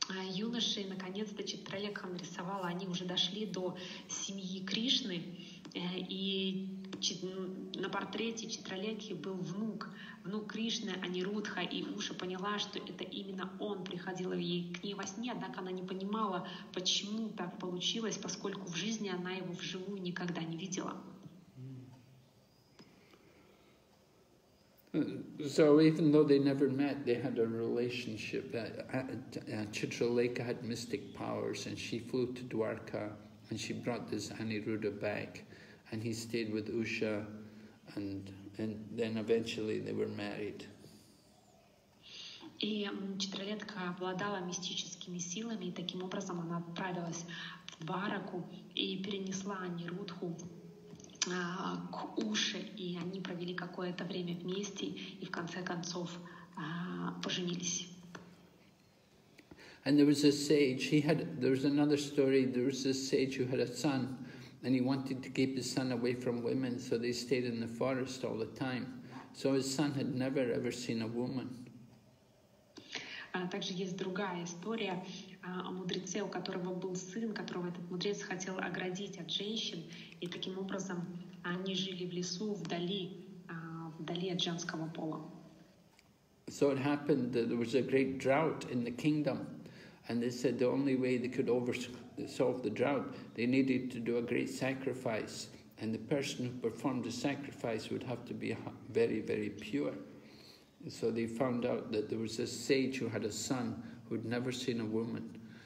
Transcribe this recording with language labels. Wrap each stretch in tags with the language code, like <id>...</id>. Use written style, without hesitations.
<ru>юношей, наконец-то Читралекха нарисовала, они уже дошли до семьи Кришны, и на портрете Читралекхи был внук Кришны, Анирудха, и Уша поняла, что это именно он приходил к ней во сне, однако она не понимала, почему так получилось, поскольку в жизни она его вживую никогда не видела.</ru> <en>So even though they never met, they had a relationship. Chitralekha had mystic powers, and she flew to Dwarka, And she brought this Aniruddha back, and he stayed with Usha, and then eventually they were married.</en> <ru>И четырёхлетка обладала мистическими силами, и таким образом она отправилась в Двараку и перенесла Анирудху к Уше, и они провели какое-то время вместе и в конце концов поженились.</ru> <en>And there was a sage, there was another story, there was a sage who had a son, and he wanted to keep his son away from women, so they stayed in the forest all the time. So his son had never ever seen a woman.</en> <ru>Также есть другая история о мудреце, у которого был сын, которого этот мудрец хотел оградить от женщин, и таким образом они жили в лесу, вдали от женского пола.</ru> <en>So it happened that there was a great drought in the kingdom, and they said the only way they could solve the drought, they needed to do a great sacrifice, and the person who performed the sacrifice would have to be very, very pure. So they found out that there was a sage who had a son who'd never seen a woman.</en>